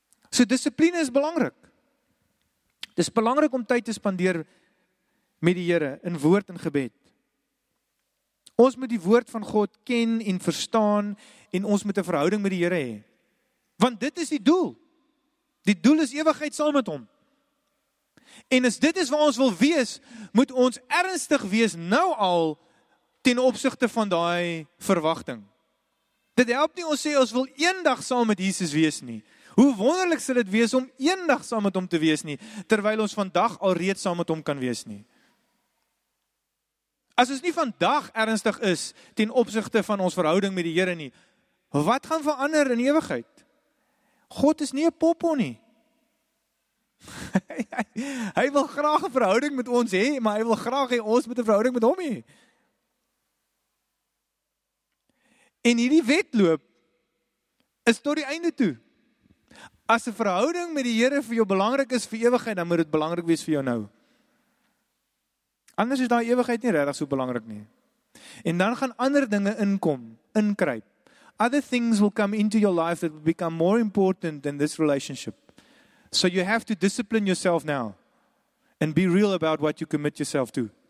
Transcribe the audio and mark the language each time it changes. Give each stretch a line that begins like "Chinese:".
Afrikaans: So disipline is belangrik. Dit is belangrik om tyd te spandeer met die Here, in woord en gebed. Ons moet die woord van God ken en verstaan en ons moet 'n verhouding met die Here hê. Want dit is die doel. Die doel is ewigheid saam met hom. En as dit is waar ons wil wees, moet ons ernstig wees nou al ten opsigte van daai verwagting. Dit help nie ons sê ons wil eendag saam met Jesus wees nie. Hoe wonderlik sal dit wees om eendag saam met hom te wees nie, terwyl ons vandag al reeds saam met hom kan wees nie. As ons nie vandag ernstig is ten opsigte van ons verhouding met die Here nie, wat gaan verander in ewigheid? God is nie 'n popo nie. Hy wil graag 'n verhouding met ons hê, maar hy wil graag hê ons moet 'n verhouding met hom hê. En hierdie wedloop is tot die einde toe. As 'n verhouding met die Here vir jou belangrik is vir ewigheid, dan moet dit belangrik wees vir jou nou. Anders is daai ewigheid nie regtig so belangrik nie. En dan gaan ander dinge inkruip.
English: Other things will come into your life that will become more important than this relationship. So you have to discipline yourself now and be real about what you commit yourself to.